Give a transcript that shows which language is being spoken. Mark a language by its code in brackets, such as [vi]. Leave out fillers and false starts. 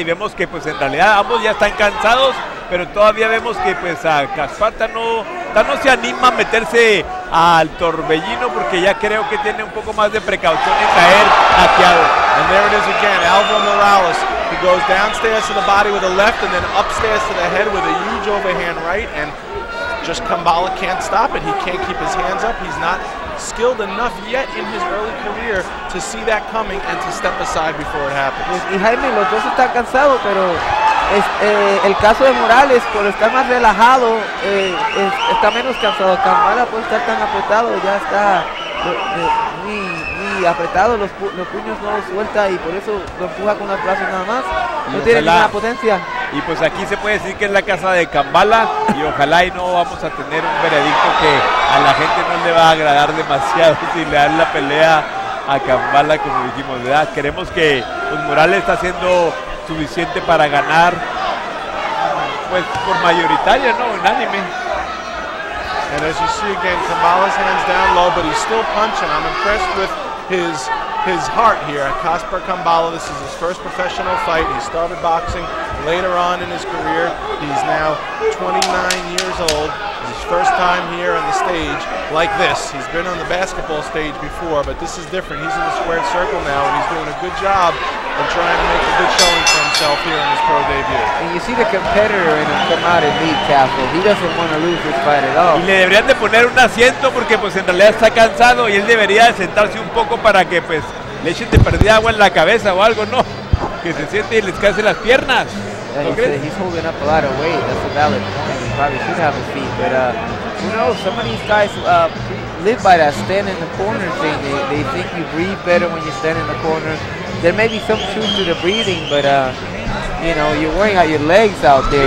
[es] Y vemos que, pues, en realidad, ambos ya están cansados, pero todavía vemos que, pues, a Kaspars no se anima a meterse al torbellino porque ya creo que tiene un poco más de precaución en caer hacia él. [en] And there it is again, Alvaro Morales. He goes downstairs to the body with a left and then upstairs to the head with a huge overhand right, and just Kambala can't stop it. He can't keep his hands up. He's not skilled enough yet in his early career to see that coming and to step aside before it happens. [es] Y Jaime, los dos están cansados, pero el caso de Morales, por estar más relajado, está menos cansado. Kambala puede estar tan apretado, ya está muy apretado, los puños no los suelta y por eso lo empuja con los brazos nada más. No y tiene ninguna potencia. Y pues aquí se puede decir que es la casa de Kambala y ojalá y no vamos a tener un veredicto que a la gente no le va a agradar demasiado si le dan la pelea a Kambala, como dijimos, ¿verdad? Queremos que pues Morales está haciendo suficiente para ganar, pues por mayoritaria, ¿no? Unánime. [en] And as you see again, Kambala's hands down low, but he's still punching. I'm impressed with his heart here at Kaspar Kambala. This is his first professional fight. He started boxing later on in his career. He's now 29 years old. It's his first time here on the stage like this. He's been on the basketball stage before, but this is different. He's in the squared circle now, and he's doing a good job of trying to make a good showing for himself here in his pro debut. And you see the competitor in him come out and leave Castle. He doesn't want to lose this fight at all. [es] Y le deberían de poner un asiento porque pues en realidad está cansado y él debería de sentarse un poco para que pues le echen de perder agua en la cabeza o algo, ¿no? Que se siente y les canse las piernas. [en] Yeah, he's holding up a lot of weight. That's a valid point. He probably should have his feet. But who knows? Some of these guys live by that stand in the corner thing. They think you breathe better when you stand in the corner. There may be some truth to the breathing, but you know, you're wearing out your legs out there.